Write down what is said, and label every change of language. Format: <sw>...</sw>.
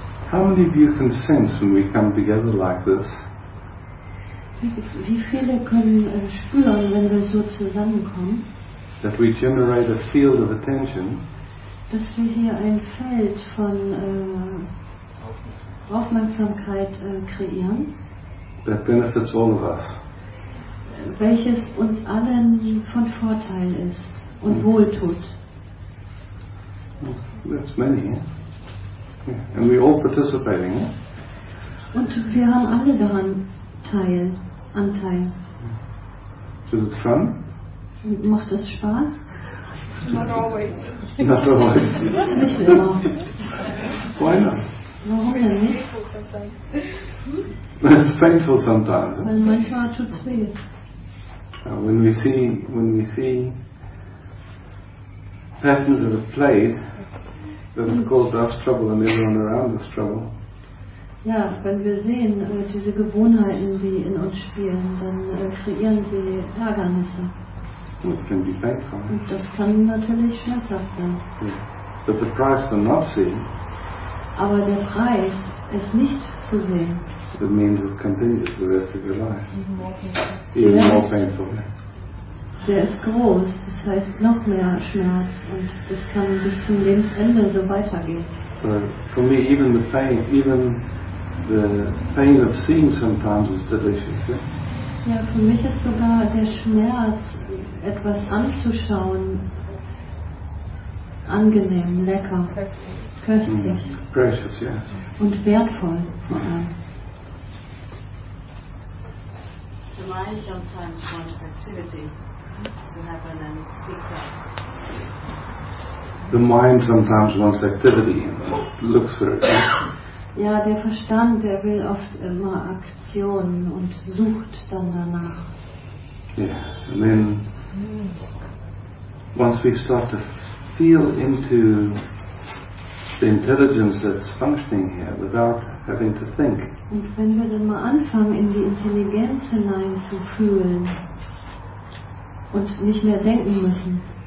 <en>How many of you can sense when we come together like this?</en> <de>Wie viele können spüren, wenn wir so zusammenkommen?</de> <en>That we generate a field of attention.</en> <de>Dass wir hier ein Feld von Aufmerksamkeit kreieren.</de> <en>That benefits all of us.</en> <de>Welches uns allen von Vorteil ist und wohltut.</de> <en>Well, that's many. Yeah? And we all participating. Yeah?</en> <de>Und wir haben alle daran Teil. Anteil.</de> <en>Is it fun?</en> <de>Macht es Spaß?</de> <en>Not always. Not always.</en> <de>Nicht immer.</de> <en>Why not?</en> <de>Warum denn nicht?</de> <en>It's painful sometimes.</en> <de>Weil manchmal tut es weh.</de> <en>When we see patterns of a play that have caused us trouble and everyone around us trouble.</en> <de>Ja, wenn wir sehen, diese Gewohnheiten, die in uns spielen, dann kreieren sie Ärgernisse.</de> <en>Can be painful.</en> <de>Und das kann natürlich schmerzhaft sein.</de> <en>But the price for not seeing.</en> <de>Aber der Preis, es nicht zu sehen.</de> <en>So that means it continues the rest of your life. Even more painful.</en> <de>Der ist groß, das heißt noch mehr Schmerz und das kann bis zum Lebensende so weitergehen.</de> <en>So for me even the pain of seeing sometimes is delicious. Yeah?</en> <de>Ja, für mich ist sogar der Schmerz, etwas anzuschauen, angenehm, lecker, köstlich. Mm-hmm.</de> <en>Precious, yeah.</en> <de>Und wertvoll. Mm-hmm. Ja.</de> <en>The mind sometimes wants activity to happen and it seeks out. The mind sometimes wants activity, looks for it.</en> <de>Ja, der Verstand, der will oft immer Aktionen und sucht dann danach.</de> <en>Yeah, and then once we start to feel into the intelligence that's functioning here without having to think.</en> <de>Und wenn wir dann mal anfangen, in die Intelligenz hinein zu fühlen und nicht mehr denken müssen,</de>